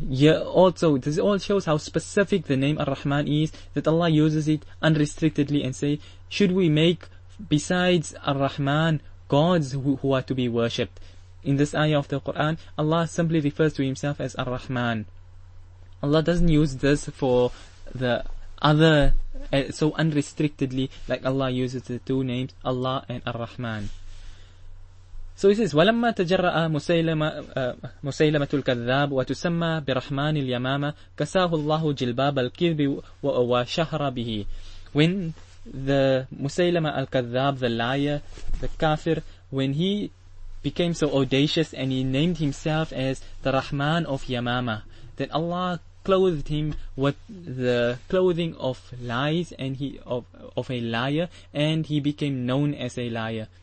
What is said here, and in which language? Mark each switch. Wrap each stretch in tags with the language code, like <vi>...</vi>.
<en>Yeah, also, this all shows how specific the name Ar-Rahman is, that Allah uses it unrestrictedly and say, should we make besides Ar-Rahman gods who are to be worshipped? In this ayah of the Quran, Allah simply refers to Himself as Ar-Rahman. Allah doesn't use this for the other so unrestrictedly like Allah uses the two names Allah and Ar-Rahman. So He says,</en> <ar>وَلَمَّا تَجَرَّأَ مُسَيْلَمَةُ الْكَذَّابُ وَتُسَمَّى بِرَحْمَانِ الْيَمَامَةِ كَسَاهُ اللَّهُ جِلْبَابَ الْكِذْبِ وَشَهْرَ بِهِ.</ar> <en>When the Musaylama al-Kadhab, the liar, the kafir, when he became so audacious and he named himself as the Rahman of Yamama, then Allah clothed him with the clothing of lies and of a liar, and he became known as a liar.</en>